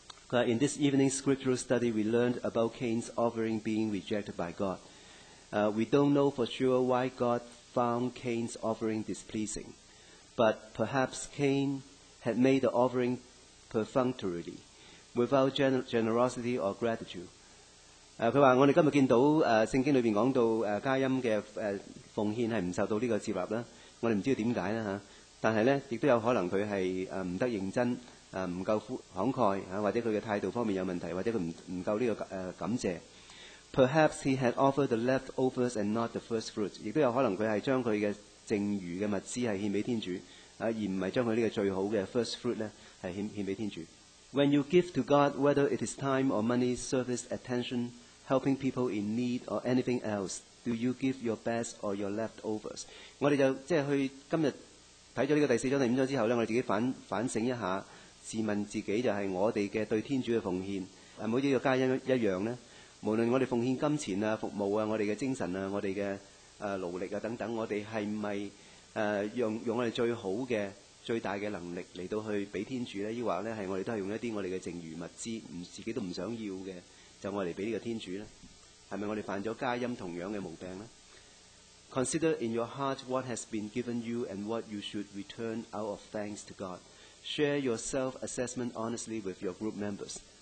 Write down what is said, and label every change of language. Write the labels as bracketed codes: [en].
[en] But in this evening's scriptural study, we learned about Cain's offering being rejected by God. We don't know for sure why God found Cain's offering displeasing, but perhaps Cain had made the offering perfunctorily, without generosity or gratitude. [zh] 他说我们今天见到圣经里面讲到佳音的奉献是不受到这个接纳的，我们不知道为什么，但是呢也都有可能他是不得认真，不够慷慨，或者他的态度方面有问题，或者他不够这个感谢。 [en] Perhaps he had offered the leftovers and not the first fruits， [zh] 也有可能他是将他的剩余的物资献给天主，而不是将他这个最好的 first fruit 献给天主。 [en] When you give to God, whether it is time or money, service, attention, helping people in need or anything else, do you give your best or your leftovers？ [zh] 我们就即去今天看了这个第四章第五章之后，我们自己 反省一下，自問自己，就是我們的對天主的奉獻是否像這個佳音一樣呢？無論我們奉獻金錢、服務、我們的精神、我們的勞力等等，我們是不是用我們最好的最大的能力來到去給天主呢？或者我們都是用一些我們的剩餘物資自己都不想要的，就我們來給這個天主呢？是不是我們犯了佳音同樣的毛病呢？ [en] Consider in your heart what has been given you and what you should return out of thanks to GodShare your self-assessment honestly with your group members.